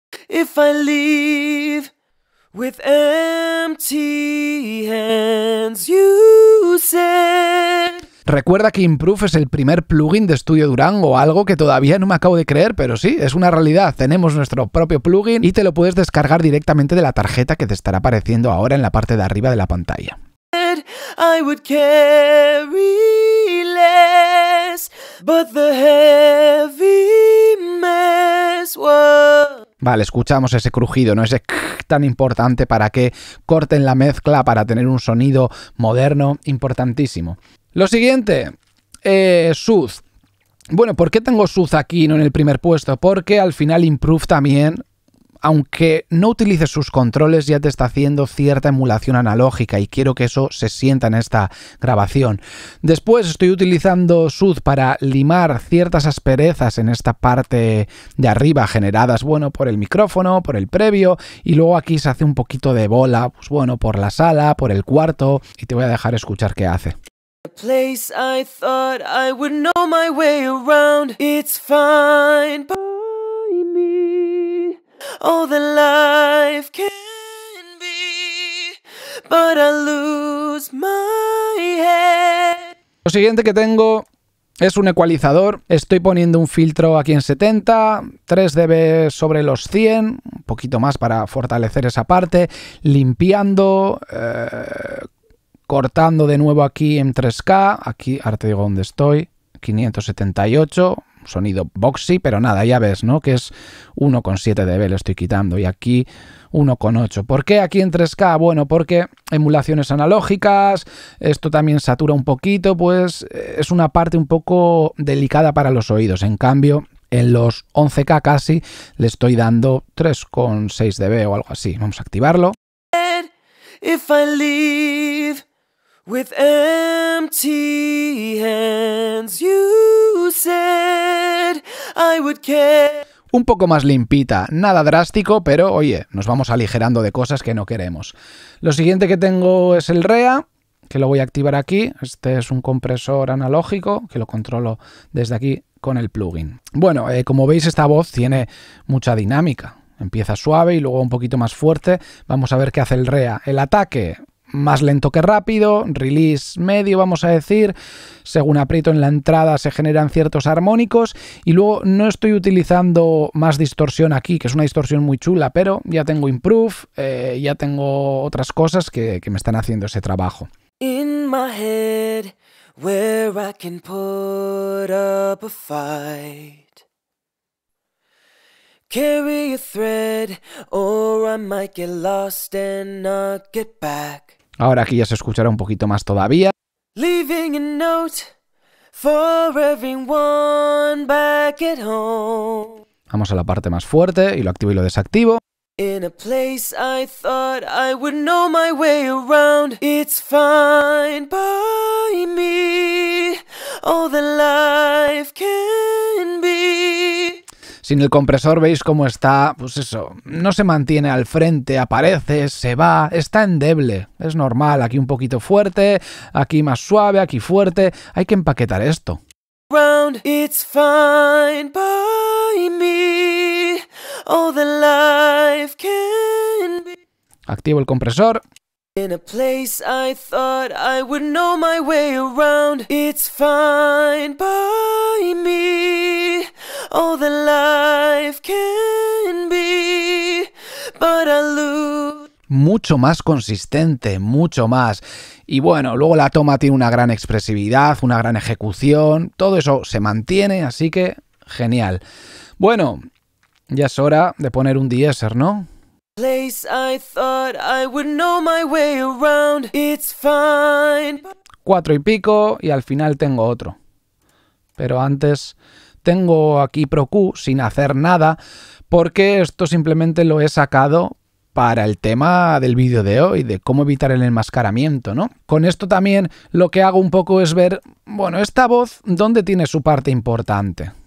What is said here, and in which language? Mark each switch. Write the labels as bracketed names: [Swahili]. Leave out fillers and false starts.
[English] If I leave with empty hands, you said. [Spanish] Recuerda que Improve es el primer plugin de Estudio Durango, algo que todavía no me acabo de creer, pero sí, es una realidad. Tenemos nuestro propio plugin y te lo puedes descargar directamente de la tarjeta que te estará apareciendo ahora en la parte de arriba de la pantalla. [English] I would carry less, but the heavy mess was... [Spanish] Vale, escuchamos ese crujido, ¿no? Ese tan importante para que corten la mezcla, para tener un sonido moderno, importantísimo. Lo siguiente, Sooth. Bueno, ¿por qué tengo Sooth aquí, no en el primer puesto? Porque al final Improve también, aunque no utilices sus controles, ya te está haciendo cierta emulación analógica y quiero que eso se sienta en esta grabación. Después estoy utilizando Sooth para limar ciertas asperezas en esta parte de arriba generadas, bueno, por el micrófono, por el previo, y luego aquí se hace un poquito de bola, pues bueno, por la sala, por el cuarto, y te voy a dejar escuchar qué hace. [English] A place I thought I would know my way around. It's fine by me. All the life can be, but I lose my head. [Spanish] Lo siguiente que tengo es un ecualizador. Estoy poniendo un filtro aquí en 70, 3 dB sobre los 100, un poquito más para fortalecer esa parte, limpiando, cortando de nuevo aquí en 3K, aquí, ahora te digo dónde estoy, 578, sonido boxy, pero nada, ya ves, ¿no? Que es 1,7 dB, lo estoy quitando, y aquí 1,8. ¿Por qué aquí en 3K? Bueno, porque emulaciones analógicas, esto también satura un poquito, pues es una parte un poco delicada para los oídos. En cambio, en los 11K casi le estoy dando 3,6 dB o algo así. Vamos a activarlo. [English] If I leave with empty hands, you said I would care. [Spanish] Un poco más limpita, nada drástico, pero oye, nos vamos aligerando de cosas que no queremos. Lo siguiente que tengo es el REA, que lo voy a activar aquí. Este es un compresor analógico que lo controlo desde aquí con el plugin. Bueno, como veis, esta voz tiene mucha dinámica. Empieza suave y luego un poquito más fuerte. Vamos a ver qué hace el REA. El ataque, más lento que rápido. Release medio, vamos a decir. Según aprieto en la entrada, se generan ciertos armónicos. Y luego no estoy utilizando más distorsión aquí, que es una distorsión muy chula, pero ya tengo improve, ya tengo otras cosas que me están haciendo ese trabajo. [English] In my head, where I can put up a fight. Carry a thread, or I might get lost and not get back. [Spanish] Ahora aquí ya se escuchará un poquito más todavía. [English] Leaving a note for everyone back at home. [Spanish] Vamos a la parte más fuerte y lo activo y lo desactivo. [English] In a place I thought I would know my way around. It's fine by me. All the life can be. [Spanish] Sin el compresor veis cómo está, pues eso, no se mantiene al frente, aparece, se va, está endeble, es normal, aquí un poquito fuerte, aquí más suave, aquí fuerte, hay que empaquetar esto. [English] Round, it's fine by me, all the life can be. [Spanish] Activo el compresor. [English] In a place I thought I would know my way around, it's fine by me. All the life can be, but I lose. [Spanish] Mucho más consistente, mucho más. Y bueno, luego la toma tiene una gran expresividad, una gran ejecución. Todo eso se mantiene, así que genial. Bueno, ya es hora de poner un de-esser, ¿no? [English] Place I thought I would know my way around. It's fine. [Spanish] Cuatro y pico y al final tengo otro. Pero antes tengo aquí Pro Q sin hacer nada, porque esto simplemente lo he sacado para el tema del vídeo de hoy, de cómo evitar el enmascaramiento, ¿no? Con esto también lo que hago un poco es ver, bueno, esta voz, ¿dónde tiene su parte importante?